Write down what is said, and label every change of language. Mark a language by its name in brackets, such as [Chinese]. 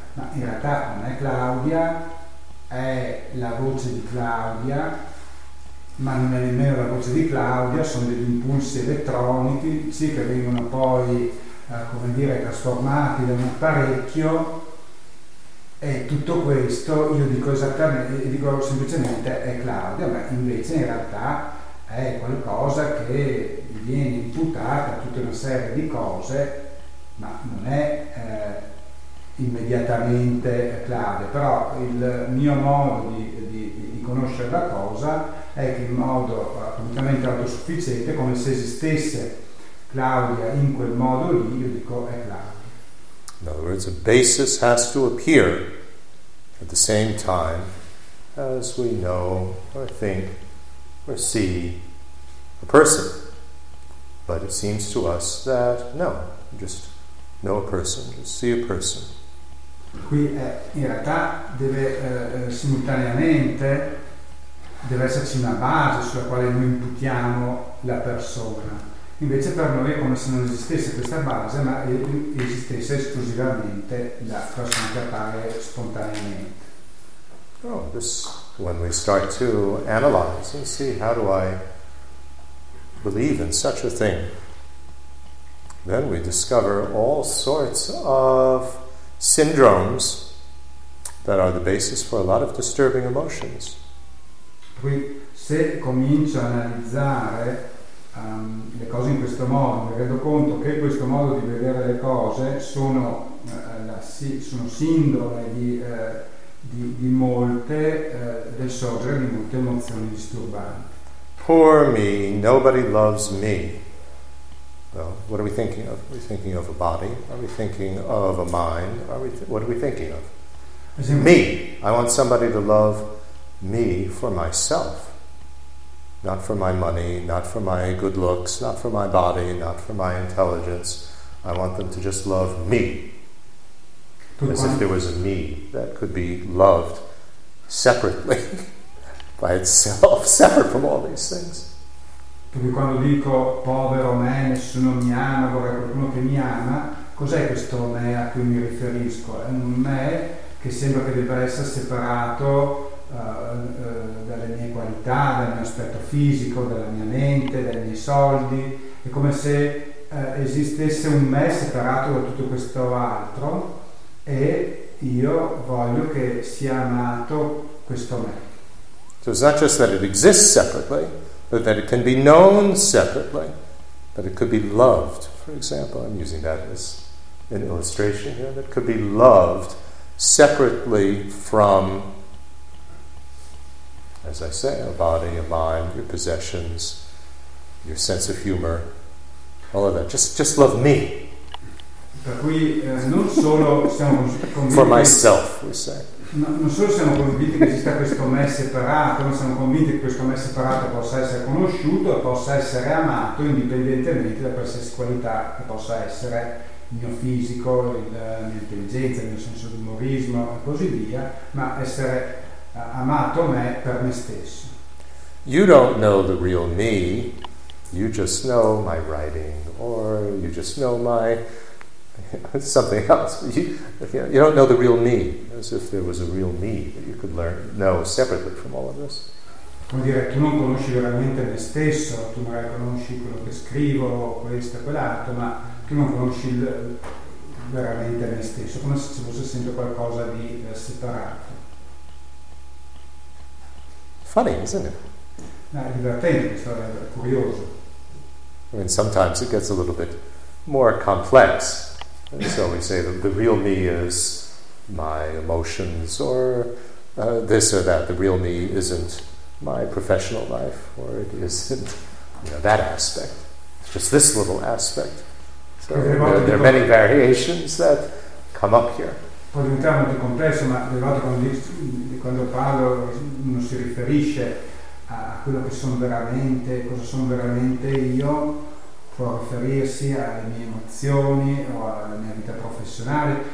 [Italian] Ma in realtà non è Claudia, è la voce di Claudia, ma non è nemmeno la voce di Claudia, sono degli impulsi elettronici sì, che vengono poi, come dire, trasformati da un apparecchio, e tutto questo io dico esattamente, dico semplicemente è Claudia, ma invece in realtà è qualcosa che viene imputata a tutta una serie di cose, ma non è immediatamente Claudia, però il mio modo di conoscere la cosa è che in modo completamente autosufficiente, come se esistesse Claudia in quel modo lì, io dico è Claudia. [English] In other words, a basis has to appear at the same time as we know or think or see a person, but it seems to us that no, just know a person, just see a person. [Italian] Qui in realtà deve simultaneamente deve esserci una base sulla quale noi imputiamo la persona, invece per noi è come se non esistesse questa base, ma esistesse esclusivamente la persona che appare spontaneamente. [English] Oh, this when we start to analyze and see how do I believe in such a thing, then we discover all sorts of syndromes that are the basis for a lot of disturbing emotions. [Italian] Qui, se comincio a analizzare le cose in questo modo, mi rendo conto che questo modo di vedere le cose sono sindrome di molte del sorgere di molte emozioni disturbanti. [English] Poor me, nobody loves me. Well, what are we thinking of? Are we thinking of a body? Are we thinking of a mind? What are we thinking of? Me. I want somebody to love me for myself. Not for my money, not for my good looks, not for my body, not for my intelligence. I want them to just love me. As if there was a me that could be loved separately. By itself, separate from all these things. [Italian] Quindi quando dico povero me, nessuno mi ama, vorrei qualcuno che mi ama, cos'è questo me a cui mi riferisco? È un me che sembra che debba essere separato dalle mie qualità, dal mio aspetto fisico, dalla mia mente, dai miei soldi. È come se esistesse un me separato da tutto questo altro e io voglio che sia amato questo me. [English] So it's not just that it exists separately, but that it can be known separately, that it could be loved, for example. I'm using that as an illustration here, that it could be loved separately from, as I say, a body, a mind, your possessions, your sense of humor, all of that. Just love me. For myself, we say. [Italian] Non solo siamo convinti che esista questo me separato, ma siamo convinti che questo me separato possa essere conosciuto e possa essere amato indipendentemente da qualsiasi qualità che possa essere il mio fisico, la mia intelligenza, il mio senso di umorismo e così via, ma essere amato me per me stesso. [English] You don't know the real me, you just know my writing, or you just know my... It's something else. You don't know the real me, as if there was a real me that you could learn know separately from all of this. [Italian] Vuol dire tu non conosci veramente me stesso, tu magari conosci quello che scrivo, questo, quell'altro, ma tu non conosci veramente me stesso, come se ci fosse sempre qualcosa di separato. [English] Funny, isn't it? [Italian] No, è divertente, è curioso. [English] I mean, sometimes it gets a little bit more complex. And so we say that the real me is my emotions or this or that. The real me isn't my professional life or it isn't that aspect. It's just this little aspect. So there are many variations that come up here. [Italian] Può diventare molto complesso, ma le volte quando parlo non si riferisce a quello che sono veramente, cosa sono veramente io. Può riferirsi alle mie emozioni o alla mia vita professionale.